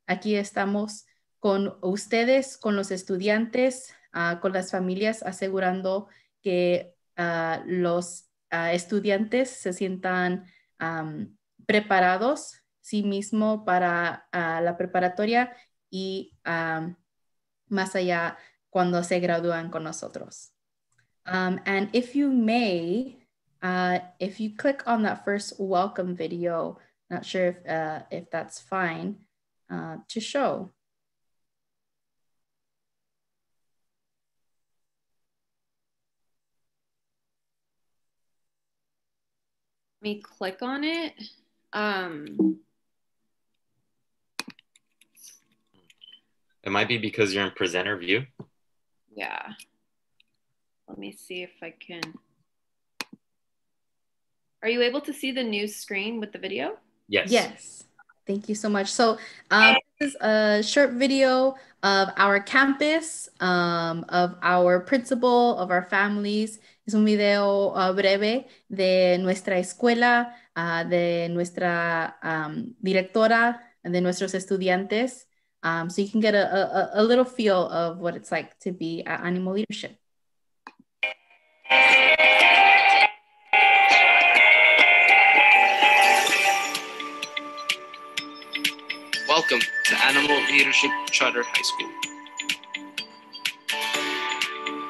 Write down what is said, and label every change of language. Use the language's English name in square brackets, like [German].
[Spanish] Aquí estamos con ustedes, con los estudiantes, con las familias, asegurando que los estudiantes se sientan preparados sí mismo para la preparatoria y más allá cuando se gradúan con nosotros. [English] And if you may, if you click on that first welcome video, not sure if that's fine to show. Let me click on it. It might be because you're in presenter view. Yeah. Let me see if I can. Are you able to see the new screen with the video? Yes. Yes. Thank you so much. So this is a short video of our campus, of our principal, of our families. [Spanish] Es un video breve de nuestra escuela, de nuestra directora, de nuestros estudiantes. [English] So you can get a little feel of what it's like to be at ANIMO Leadership. Welcome to ANIMO Leadership Charter High School,